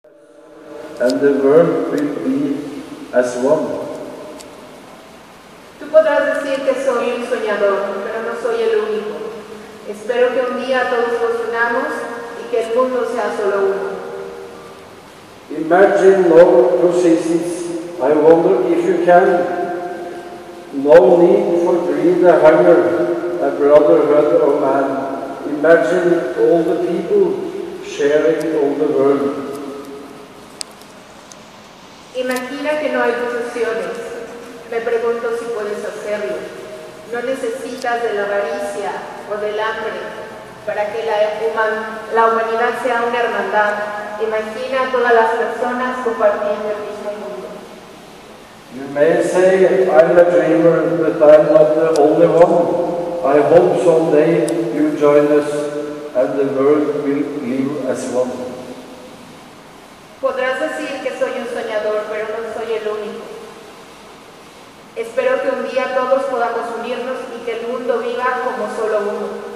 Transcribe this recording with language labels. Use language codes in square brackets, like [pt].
[en] and the world will be as one. [es] Tú podrás decir que soy un soñador, pero no soy el único. Espero que un día todos nos unamos y que el mundo sea solo uno. [en] Imagine long processes. I wonder if you can. No need for greed, a hunger, a brotherhood of man. Imagine all the people sharing all the world. [es] Imagina que no hay posesiones. Me pregunto si puedes hacerlo. No necesitas de la avaricia o del hambre para que la humanidad sea una hermandad. Imagina a todas las personas compartiendo el mismo mundo. [en] You may say I'm a dreamer, but I'm not the only one. I hope someday you join us and the world will live as one. [es] Podrás decir que soy un soñador, pero no soy el único. Espero que un día todos podamos unirnos y que el mundo viva como solo uno.